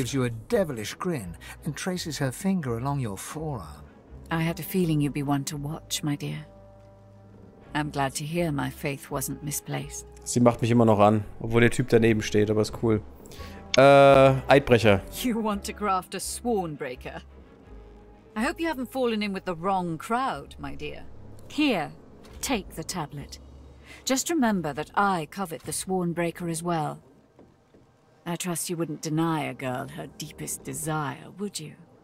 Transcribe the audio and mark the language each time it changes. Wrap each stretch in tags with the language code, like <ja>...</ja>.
<en>Gives you a devilish grin and traces her finger along your forearm. I had a feeling you'd be one to watch, my dear. I'm glad to hear my faith wasn't misplaced.</en> <de>Sie macht mich immer noch an, obwohl der Typ daneben steht, aber ist cool.</de> <en>Eidbrecher. You want to craft a swornbreaker? I hope you haven't fallen in with the wrong crowd, my dear. Here, take the tablet. Just remember that I covet the Swornbreaker as well. I trust you wouldn't deny a girl her deepest desire, would you?</en>